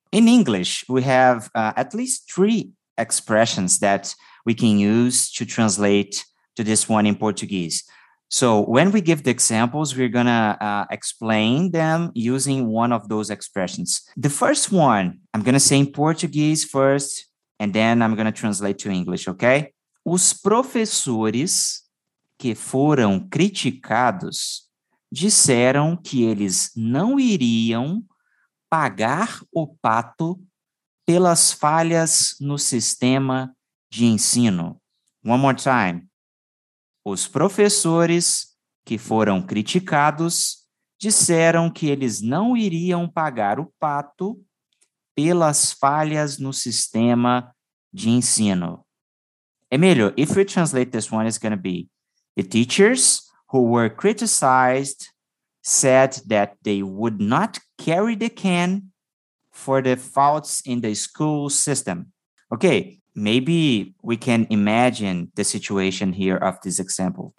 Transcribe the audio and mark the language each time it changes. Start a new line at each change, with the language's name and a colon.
English: In English, we have at least three expressions that we can use to translate to this one in Portuguese. So when we give the examples, we're going to explain them using one of those expressions. The first one, I'm going to say in Portuguese first, and then I'm going to translate to English, okay?
Portuguese: Os professores que foram criticados disseram que eles não iriam pagar o pato pelas falhas no sistema de ensino.
English: One more time.
Portuguese: Os professores que foram criticados disseram que eles não iriam pagar o pato pelas falhas no sistema de ensino.
English: Emilio, if we translate this one, it's going to be: the teachers who were criticized said that they would not carry the can for the faults in the school system. Okay, maybe we can imagine the situation here of this example.